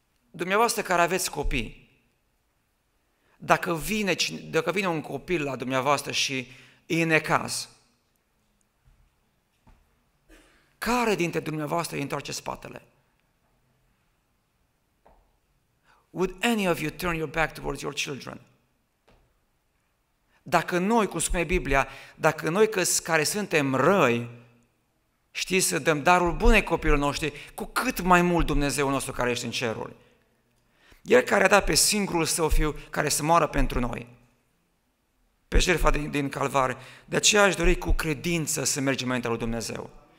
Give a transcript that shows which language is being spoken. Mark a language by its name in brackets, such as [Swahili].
[Romanian] Dumneavoastră care aveți copii, dacă vine un copil la dumneavoastră și e necaz, care dintre dumneavoastră îi întoarce spatele? [English] Would any of you turn your back towards your children? [Romanian] Dacă noi, cum spune Biblia, dacă noi care suntem răi, știm să dăm darul bunei copilor noștri, cu cât mai mult Dumnezeu nostru care ești în ceruri. El care a dat pe singurul Său Fiu care să moară pentru noi, pe jertfa din Calvar, de aceea aș dori cu credință să mergem înaintea lui Dumnezeu.